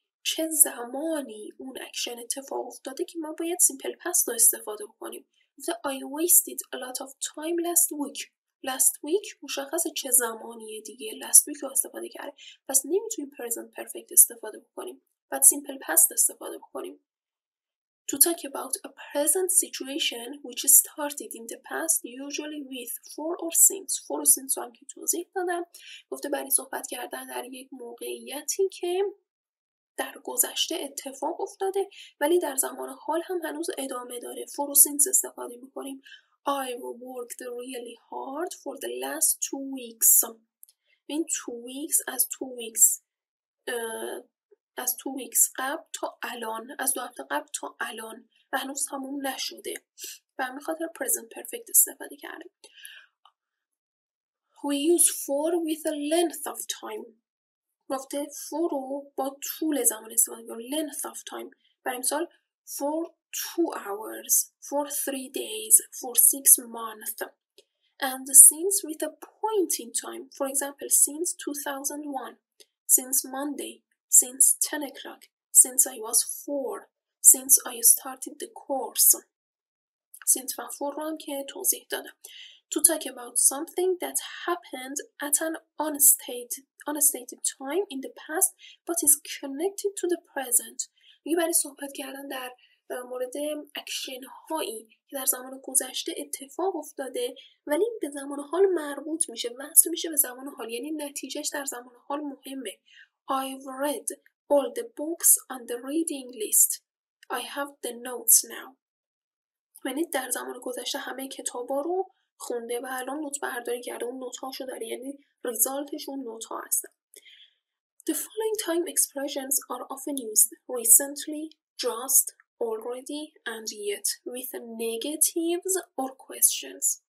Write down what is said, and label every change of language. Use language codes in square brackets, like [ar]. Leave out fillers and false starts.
[fa] چه زمانی اون اکشن اتفاق افتاده که ما باید سیمپل پست رو استفاده کنیم. گفته [en] I wasted a lot of time last week. Last week [fa] مشخص چه زمانیه دیگه. [en] Last week [fa] رو استفاده کرده. پس نمیتونیم present perfect استفاده بکنیم. باید سیمپل پست استفاده بکنیم. [en] To talk about a present situation which started in the past usually with for or since. For or since [fa] رو هم که توضیح دادم. گفته برای صحبت کردن در یک موقعیتی که در گذشته اتفاق افتاده ولی در زمان حال هم هنوز ادامه داره. [en] For or since [fa] استفاده میکنیم. [en] I worked really hard for the last two weeks. [fa] این [en] two weeks [fa] قبل تا الان، از دو هفته قبل تا الان و هنوز تموم نشده. به همین خاطر present perfect استفاده کردیم. [en] We use for with a length of time. [fa] گفته for رو با طول زمان استفاده کنیم. [en] Length of time. [fa] برای مثال [en] for 2 hours, for 3 days, for 6 months. And since with a point in time. For example, since 2001, since Monday, since 10 o'clock, since I was 4, since I started the course. [fa] Since من 4 رو هم که توضیح دادم. [en] To talk about something that happened at an unstated time in the past, but is connected to the present. [fa] یه برای صحبت کردن در مورد اکشن هایی که در زمان گذشته اتفاق افتاده ولی به زمان حال مربوط میشه، وصل میشه به زمان حال، یعنی نتیجهش در زمان حال مهمه. [en] I've read all the books on the reading list. I have the notes now. [fa] یعنی در زمان گذشته همه کتابا رو خونده و الان نوت برداری کرده، اون نوت هاشو داره، یعنی ریزالتشون نوت ها هستن. [en] The following time expressions are often used: recently, just, already, and yet, with negatives or questions.